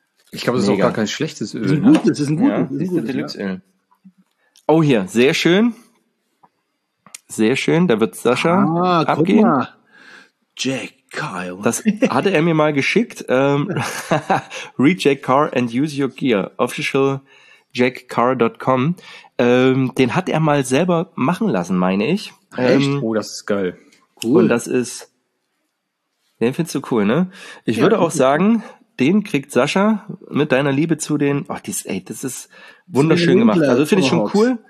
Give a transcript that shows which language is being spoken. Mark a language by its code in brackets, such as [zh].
[de] Ich glaube, das ist auch gar kein schlechtes Öl. Das ist ein gutes Deluxe-Öl. Ja. Oh, hier, sehr schön. Sehr schön, da wird Sascha abgehen. Guck mal. Jack Kyle. Das hatte er mir mal geschickt. [en] Read Jack Carr and use your gear. Official jackcarr.com. [de] Den hat er mal selber machen lassen, meine ich. Echt? Oh, das ist geil. Cool. Und das ist... Den findest du cool, ne? Ich würde auch sagen... Den kriegt Sascha mit deiner Liebe zu den. Ach, das ist wunderschön gemacht. Also finde ich schon cool.